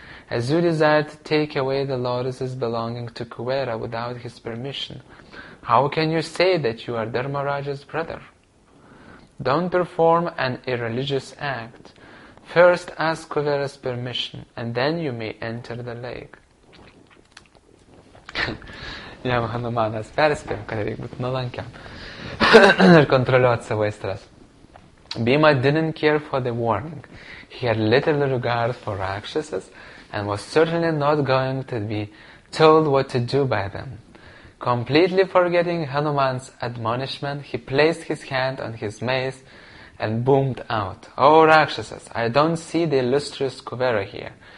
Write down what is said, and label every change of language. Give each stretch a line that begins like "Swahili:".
English: As you desire to take away the lotuses belonging to Kuvera without his permission, how can you say that you are Dharmaraja's brother? Don't perform an irreligious act. First ask Kuvera's permission, and then you may enter the lake."
Lithuanian: Jam Hanumanas perspėjo, kad reik būti nulankiam ir kontroliuoti savo aistras.
English: Bhima didn't care for the warning. He had little regard for Rakshasas and was certainly not going to be told what to do by them. Completely forgetting Hanuman's admonishment, he placed his hand on his mace and boomed out, "O Rakshasas, I don't see the illustrious Kuvera here.